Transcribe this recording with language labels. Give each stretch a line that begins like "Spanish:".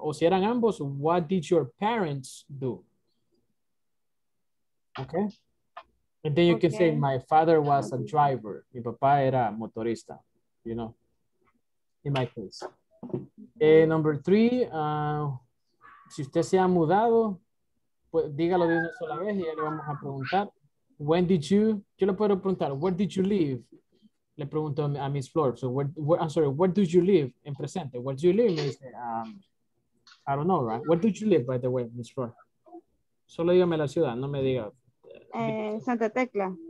Spanish: O si eran ambos,
English: what did your parents do? Okay? And then you okay. can say, my father was a driver.
Spanish: Mi papá era motorista,
English: you know, in my case.
Spanish: Number three, si usted se ha mudado, pues dígalo de una sola vez y ya le vamos a preguntar.
English: When did you,
Spanish: yo le puedo preguntar,
English: where did you live?
Spanish: Le pregunto a Miss Flor,
English: so where, I'm sorry, where did you live
Spanish: en presente?
English: Where did you live?
Spanish: Me dice,
English: I don't know, right? Where did you live, by the way, Miss Flor?
Spanish: Solo dígame la ciudad, no me diga. Santa Tecla.